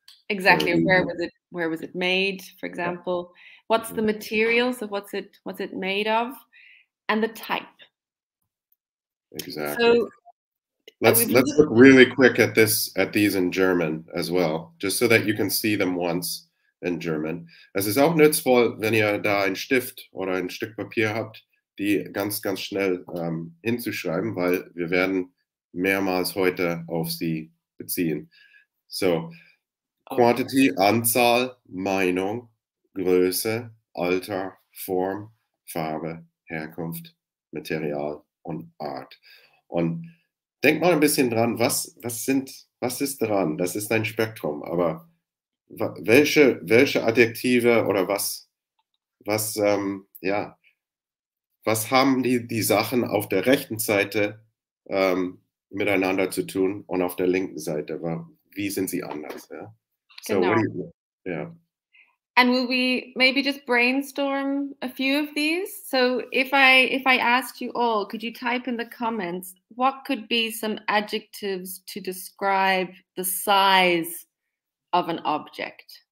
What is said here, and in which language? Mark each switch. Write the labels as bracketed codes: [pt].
[en] Exactly. Where was it made, for example? What's the material? So what's it made of? And the type. Exactly. So let's look really quick at these in German as well, just so that you can see them once in German. [de] Es ist auch nützvoll, wenn ihr da ein Stift oder ein Stück Papier habt, die ganz, ganz schnell hinzuschreiben, weil wir werden mehrmals heute auf sie beziehen. So, quantity, Anzahl, Meinung, Größe, Alter, Form, Farbe, Herkunft, Material und Art. Und denk mal ein bisschen dran, was ist dran? Das ist ein Spektrum, aber welche Adjektive oder was haben die Sachen auf der rechten Seite miteinander zu tun und auf der linken Seite? Wie sind sie anders? Yeah? So, genau. [en] And will we maybe just brainstorm a few of these? So if I asked you all, could you type in the comments, what could be some adjectives to describe the size of an object?